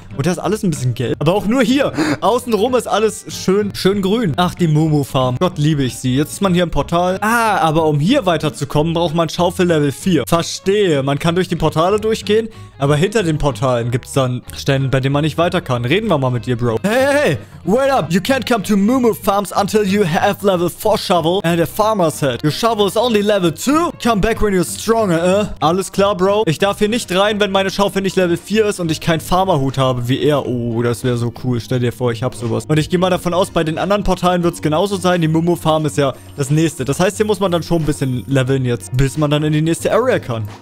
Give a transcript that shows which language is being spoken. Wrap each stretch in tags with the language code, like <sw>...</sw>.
<de>Und da ist alles ein bisschen gelb. Aber auch nur hier. Außenrum ist alles schön grün. Ach, die Moo Farm. Gott, liebe ich sie. Jetzt ist man hier im Portal. Ah, aber um hier weiterzukommen, braucht man Schaufel Level 4. Verstehe. Man kann durch die Portale durchgehen. Aber hinter den Portalen gibt es dann Stellen, bei denen man nicht weiter kann. Reden wir mal mit dir, Bro.</de> <en>Hey, wait up. You can't come to Moo Farms until you have Level 4 Shovel and a Farmer's Head. Your Shovel is only level Level 2. Come back when you're stronger, eh? Alles klar, Bro.</en> <de>Ich darf hier nicht rein, wenn meine Schaufel nicht Level 4 ist und ich keinen Farmerhut habe wie er. Oh, das wäre so cool. Stell dir vor, ich habe sowas. Und ich gehe mal davon aus, bei den anderen Portalen wird es genauso sein. Die Mumu Farm ist ja das nächste. Das heißt, hier muss man dann schon ein bisschen leveln jetzt, bis man dann in die nächste Area kann.</de>